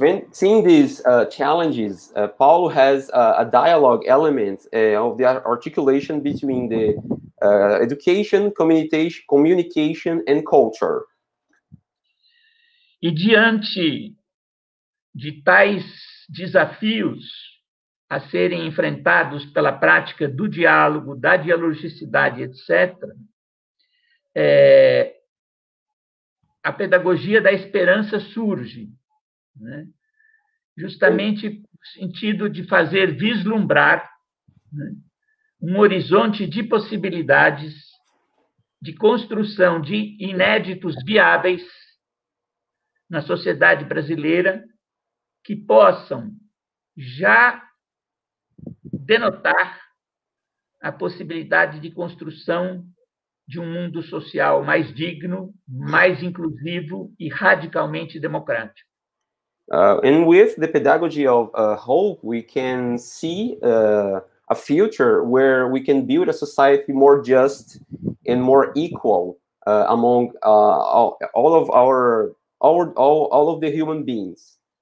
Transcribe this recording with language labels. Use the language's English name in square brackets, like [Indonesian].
[English] Seeing these challenges, Paulo has a dialogue element of the articulation between the education, communication and culture. [Portuguese] E diante de tais desafios a serem enfrentados pela prática do diálogo, da dialogicidade, etc., a pedagogia da esperança surge, né? Justamente no sentido de fazer vislumbrar, né, um horizonte de possibilidades, de construção de inéditos viáveis na sociedade brasileira, que possam já denotar a possibilidade de construção de um mundo social mais digno, mais inclusivo e radicalmente democrático. [English] And with the pedagogy of hope, we can see a future where we can build a society more just and more equal among all of the human beings.